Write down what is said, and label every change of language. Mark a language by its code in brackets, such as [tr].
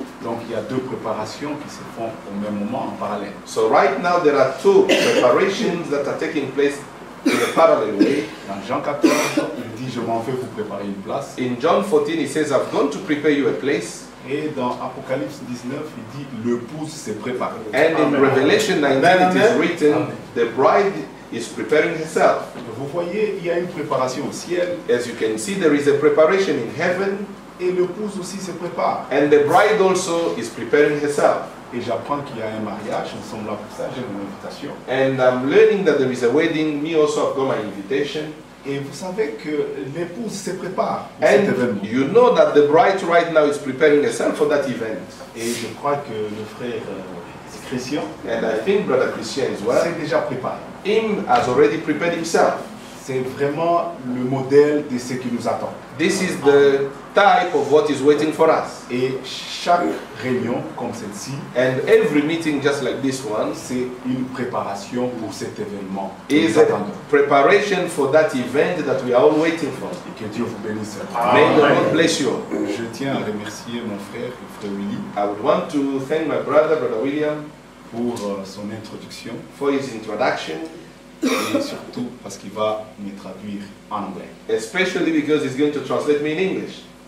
[fr] Donc il y a deux préparations qui se font au même moment en parallèle. [en] So right now there are two preparations that are taking place in a parallel way. [fr] Dans Jean 14, il dit je m'en vais vous préparer une place. [en] In John 14 he says I've gone to prepare you a place. [fr] Et dans Apocalypse 19, il dit le pouce s'est préparé. [en] And in Revelation 19 it is written the bride is preparing herself. [fr] Vous voyez, il y a une préparation au ciel. [en] As you can see there is a preparation in heaven. [fr] Et le pouce aussi se prépare. [en] And the bride also is preparing herself. [fr] Et j'apprends qu'il y a un mariage, nous sommes là pour ça, j'ai mon invitation. [en] And I'm learning that there is a wedding, me also I've got my invitation. [fr] Et vous savez que l'épouse se prépare pour [en] and [fr] cet événement. [en] You know that the bride right now is preparing herself for that event. [fr] Et je crois que le frère Christian, [en] and I think brother Christian as well, [fr] s'est déjà préparé. [en] Him has already prepared himself. [fr] C'est vraiment le modèle de ce qui nous attend. [en] This is the type of what is waiting for us. [fr] Et chaque réunion comme celle-ci, [en] and every meeting just like this one, [fr] c'est une préparation pour cet événement. [en] Is a preparation for that event that we are all waiting for. [fr] Et que Dieu vous bénisse. [en] May the Lord bless you. [fr] Je tiens à remercier mon frère, le frère Willy. [en] I would want to thank my brother, brother William, [fr] pour son introduction. [en] For his introduction. [fr] Et surtout parce qu'il va me traduire en anglais. [en] Especially because he's going to translate me in English.